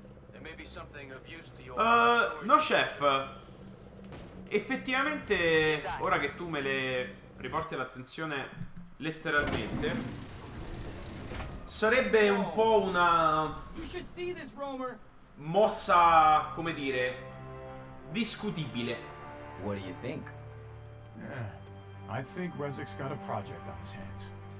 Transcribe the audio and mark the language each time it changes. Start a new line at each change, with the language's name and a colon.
English: There may be something of use to your no chef.
Italian: Effettivamente, ora che tu me le riporti l'attenzione letteralmente, sarebbe un po' una mossa, come dire, discutibile.
English: What do you think? Yeah, I think Rezek's got a project on his hands.